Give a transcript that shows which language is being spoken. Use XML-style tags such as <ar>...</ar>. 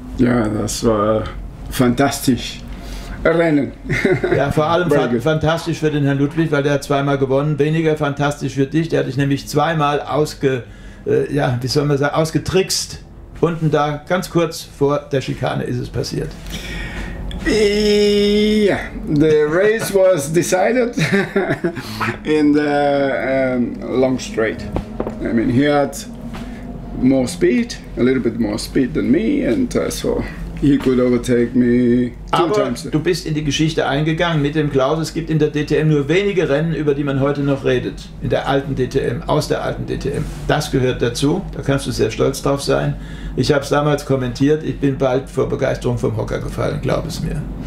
<de>Ja, das war fantastisch. Rennen. Ja, vor allem fantastisch für den Herrn Ludwig, weil der hat zweimal gewonnen. Weniger fantastisch für dich, der hat dich nämlich zweimal ausgetrickst. Unten da, ganz kurz vor der Schikane, ist es passiert.</de> <en>Yeah, the race was decided in the long straight. I mean, he had more speed, a little bit more speed than me, and so he could overtake me two</en> <de>Aber</de> <en>times.</en> <de>Du bist in die Geschichte eingegangen mit dem Klaus. Es gibt in der DTM nur wenige Rennen, über die man heute noch redet, in der alten DTM, aus der alten DTM. Das gehört dazu, da kannst du sehr stolz drauf sein. Ich habe es damals kommentiert, ich bin bald vor Begeisterung vom Hocker gefallen, glaub es mir.</de>